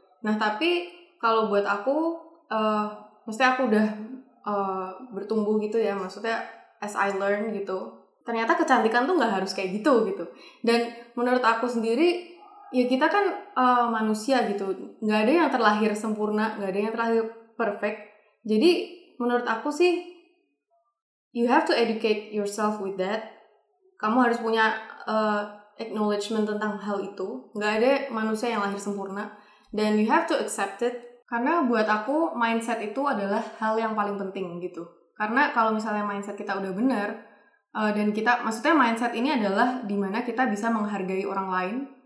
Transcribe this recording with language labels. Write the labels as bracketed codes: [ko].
[id] Nah tapi kalau buat aku, maksudnya aku udah bertumbuh gitu ya, maksudnya [en] as I learn [id] gitu, ternyata kecantikan tuh gak harus kayak gitu gitu. Dan menurut aku sendiri, ya kita kan manusia gitu, gak ada yang terlahir sempurna, gak ada yang terlahir perfect. Jadi menurut aku sih, [en] you have to educate yourself with that. [id] Kamu harus punya acknowledgement tentang hal itu. Gak ada manusia yang lahir sempurna. Dan [en] you have to accept it. [id] Karena buat aku, mindset itu adalah hal yang paling penting gitu. Karena kalau misalnya mindset kita udah benar, dan kita, maksudnya mindset ini adalah dimana kita bisa menghargai orang lain.